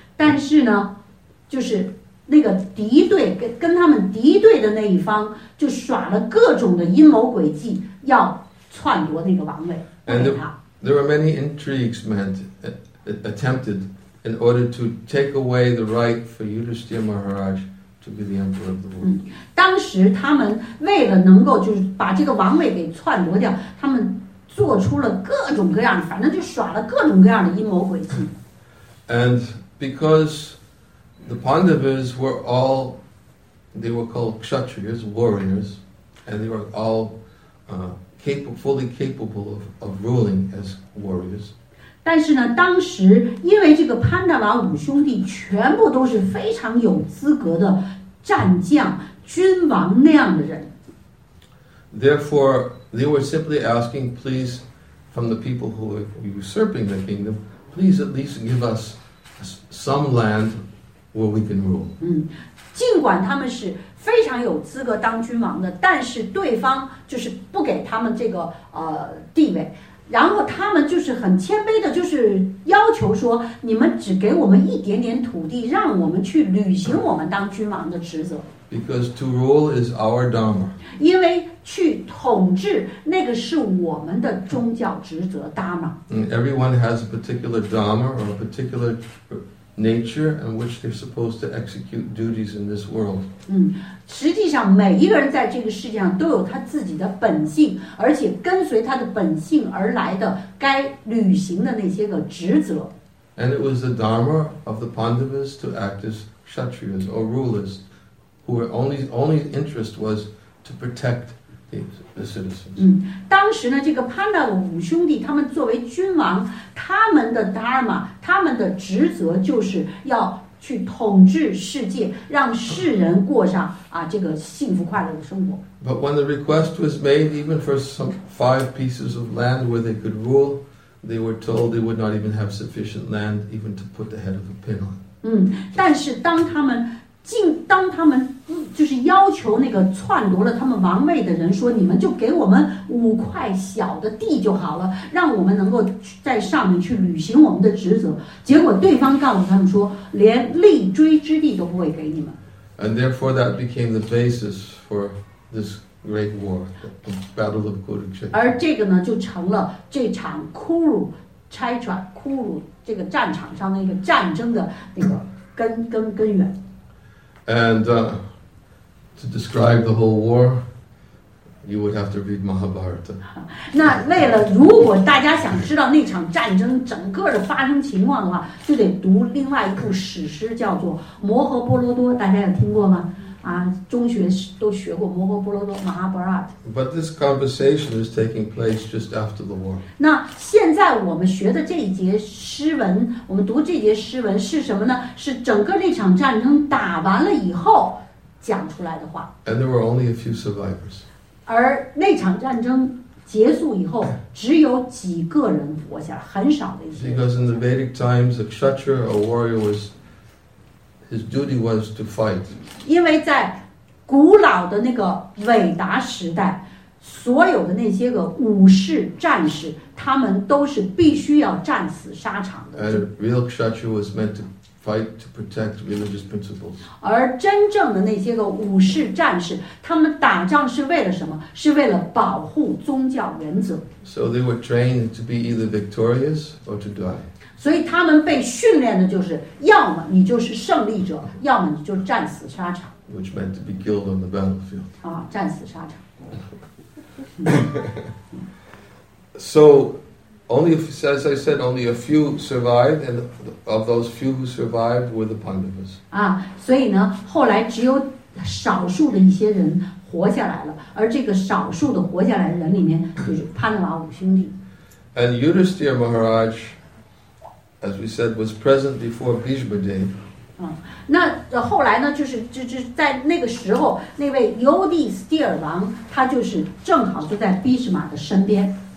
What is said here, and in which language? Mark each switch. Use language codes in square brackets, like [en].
[zh] 但是呢，就是那个敌对跟他们敌对的那一方就耍了各种的阴谋诡计，要篡夺那个王位给他。 [en] And there were many intrigues meant attempted in order to take away the right for Yudhishthira Maharaj to be the emperor of the world. [zh] 当时他们为了能够就是把这个王位给篡夺掉，他们做出了各种各样的，反正就耍了各种各样的阴谋诡计。 [en] And because the Pandavas were all, they were called Kshatriyas, warriors, and they were all fully capable of ruling as warriors. [zh] 但是呢，当时因为这个潘达瓦五兄弟全部都是非常有资格的战将、君王那样的人。 [en] Therefore, they were simply asking, please, from the people who are usurping the kingdom, please at least give us some land where we can rule. [zh] 尽管他们是非常有资格当君王的，但是对方就是不给他们这个地位，然后他们就是很谦卑的，就是要求说，你们只给我们一点点土地，让我们去履行我们当君王的职责。 [en] Because to rule is our dharma. [zh] 因为去统治那个是我们的宗教职责 dharma. [en] Everyone has a particular dharma or a particular nature and which they're supposed to execute duties in this world. [zh] 实际上每一个人在这个世界上都有他自己的本性，而且跟随他的本性而来的该履行的那些个职责。 [en] And it was the dharma of the Pandavas to act as kshatriyas or rulers, who were only interest was to protect the citizens. [zh] 当时呢，这个潘达五兄弟他们作为君王，他们的 dharma， 他们的职责就是要去统治世界，让世人过上啊这个幸福快乐的生活。 [en] But when the request was made, even for some 5 pieces of land where they could rule. They were told they would not even have sufficient land even to put the head of a pin on. [zh] 但是当他们就是要求那个篡夺了他们王位的人说，你们就给我们5块小的地就好了，让我们能够在上面去履行我们的职责。结果对方告诉他们说，连立锥之地都不会给你们。 [en] And therefore that became the basis for this. Great War, the Battle of Kurukshetra. [zh] 而这个呢，就成了这场库鲁拆船、库鲁这个战场上的一个战争的那个根源。 [en] And to describe the whole war, you would have to read Mahabharata. [zh] 那为了如果大家想知道那场战争整个的发生情况的话，就得读另外一部史诗，叫做《摩诃波罗多》，大家有听过吗？中学都学过摩诃波罗多 Mahabharata. [en] But this conversation is taking place just after the war. [zh] 那现在我们学的这一节诗文，我们读这节诗文是什么呢？是整个那场战争打完了以后讲出来的话。 [en] And there were only a few survivors. [zh] 而那场战争结束以后，只有几个人活下来，很少的一些。 [en] Because in the Vedic times, a kshatriya, a warrior was. His duty was to fight. [zh] 因为在古老的那个韦达时代，所有的那些个武士战士，他们都是必须要战死沙场的。 [en] And real kshatriya was meant to fight to protect religious principles. [zh] 而真正的那些个武士战士，他们打仗是为了什么？是为了保护宗教原则。 [en] So they were trained to be either victorious or to die. [zh] 所以他们被训练的就是，要么你就是胜利者，要么你就战死沙场。 [en] Which meant to be killed on the battlefield. [zh] 战死沙场。 [en] So, only if, as I said, only a few survived, and of those few who survived were the Pandavas. [zh] 所以呢，后来只有少数的一些人活下来了，而这个少数的活下来的人里面就是潘达瓦五兄弟。 [en] And Yudhisthira Maharaj. As we said, was present before Bhishma day. [zh] 那后来呢，就是在那个时候，那位尤迪斯蒂尔王，他就是正好就在毗湿玛的身边。